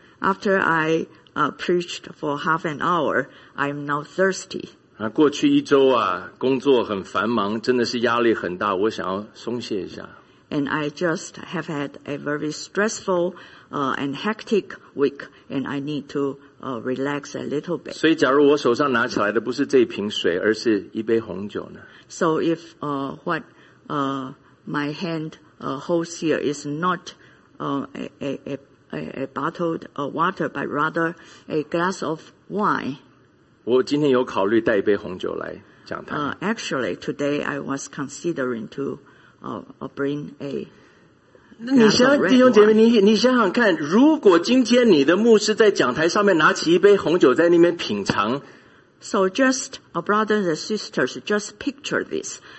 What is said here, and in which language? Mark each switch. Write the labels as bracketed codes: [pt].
[en] After I preached for half an hour, I'm now thirsty. [zh] 过去一周啊，工作很繁忙，真的是压力很大，我想要松懈一下。 [en] And I just have had a very stressful and hectic week, and I need to relax a little bit. [zh] 所以假如我手上拿起来的不是这瓶水，而是一杯红酒呢？ [en] So if what my hand holds here is not a bottled water, but rather a glass of wine. [zh] 我今天有考虑带一杯红酒来讲它。 [en] Actually, today I was considering to bring a [zh] 你想弟兄姐妹，你想想看，如果今天你的牧师在讲台上面拿起一杯红酒在那边品尝。 [en] So just a brothers and sisters, just picture this.